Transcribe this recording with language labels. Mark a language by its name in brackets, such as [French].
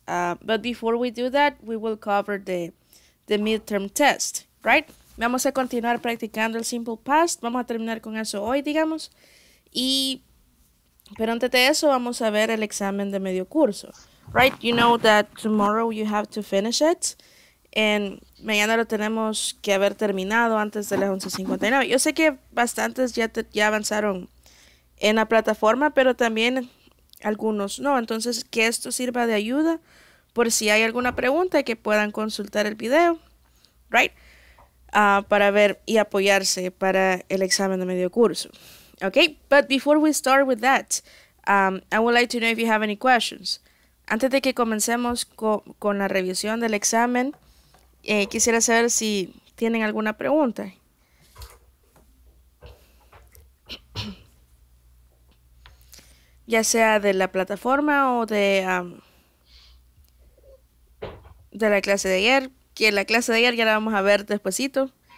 [English] But before we do that, we will cover the midterm test, right? [Spanish] Vamos a continuar practicando el simple past. Vamos a terminar con eso hoy, digamos. Pero antes de eso, vamos a ver el examen de medio curso. [English] Right, you know that tomorrow you have to finish it. [Spanish] And mañana lo tenemos que haber terminado antes de las 11:59. Yo sé que bastantes ya avanzaron en la plataforma, pero también algunos no. Entonces, que esto sirva de ayuda por si hay alguna pregunta que puedan consultar el video, right? Para ver y apoyarse para el examen de medio curso. [English] Okay, but before we start with that, I would like to know if you have any questions. [Spanish] Antes de que comencemos con la revisión del examen, quisiera saber si tienen alguna pregunta. Ya sea de la plataforma o de la clase de ayer, que la clase de ayer ya la vamos a ver despuesito.